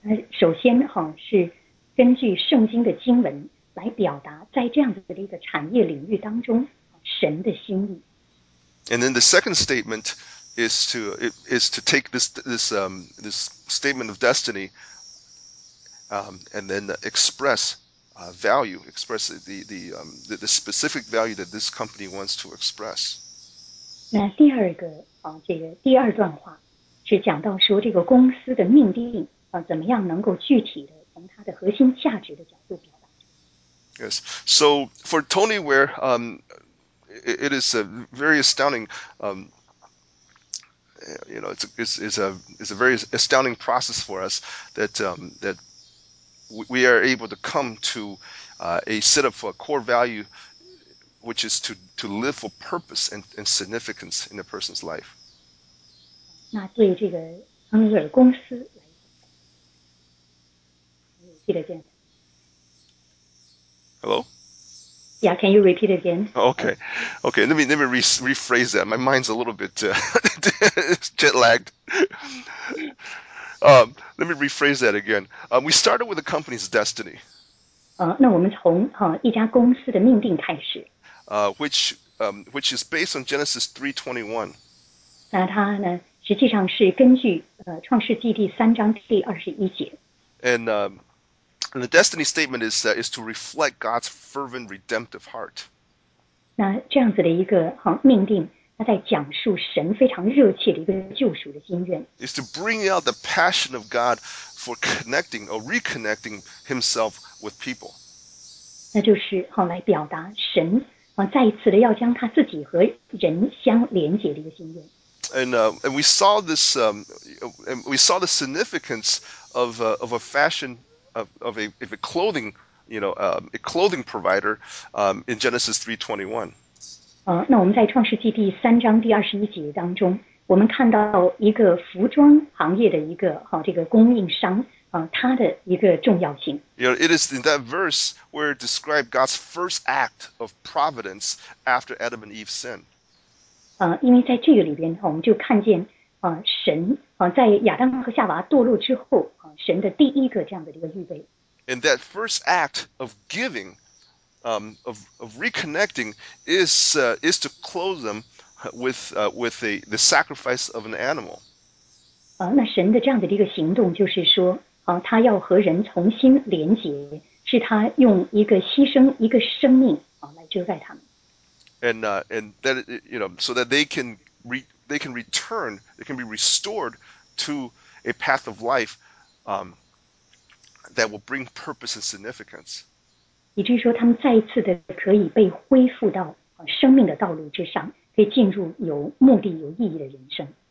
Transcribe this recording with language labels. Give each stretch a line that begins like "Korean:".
Chinese: 首先哈是根据圣经的经文来表达在这样子的一个产业领域当中神的心意。
English: And then the second statement is to take this statement of destiny. And then express value, express the specific value that this company wants to express.
Chinese: 那第二个这个第二段话是讲到说这个公司的命定怎么样能够具体的从它的核心价值的角度表达。
English: Yes, so for Tony Ware, it is a very astounding. You know, it's a very astounding process for us that we are able to come to a set of core value, which is to live for purpose and significance in a person's life.
Chinese: 那对这个亨利尔公司，记得见。
English: Hello. Yeah, can you repeat again? Okay. Let me rephrase that. My mind's a little bit jet lagged. Let me rephrase that again. We started with a company's destiny.
Chinese: 那我们从一家公司的命定开始。
English: Which is based on Genesis 3:21.
Chinese: 那它呢，实际上是根据创世纪第三章第二十一节。
English: And the destiny statement is to reflect God's fervent redemptive heart.
Chinese: 那这样子的一个命定，它在讲述神非常热切的一个救赎的心愿。
English: Is to bring out the passion of God for connecting or reconnecting Himself with people.
Chinese: 那就是来表达神再一次的要将他自己和人相连接的一个心愿。
English: And we saw this we saw the significance of a fashion. Of a clothing, you know, a clothing provider, in Genesis 3:21.
Chinese: 那我们在创世纪第三章第二十一节当中，我们看到一个服装行业的一个这个供应商它的一个重要性。
English: You know, it is in that verse where it described God's first act of providence after Adam and Eve sin.
Chinese: 因为在这个里边我们就看见神在亚当和夏娃堕落之后。神的第一个这样的一个预备。
English: And that first act of giving, of reconnecting is to clothe them with the sacrifice of an animal.
Chinese: 那神的这样的一个行动就是说，他要和人重新连结，是他用一个牺牲一个生命来遮盖他们。
English: And that you know so that they can return, they can be restored to a path of life. That will bring purpose and significance.
Chinese: 以至于说他们再一次的可以被恢复到生命的道路之上，可以进入有目的、有意义的人生。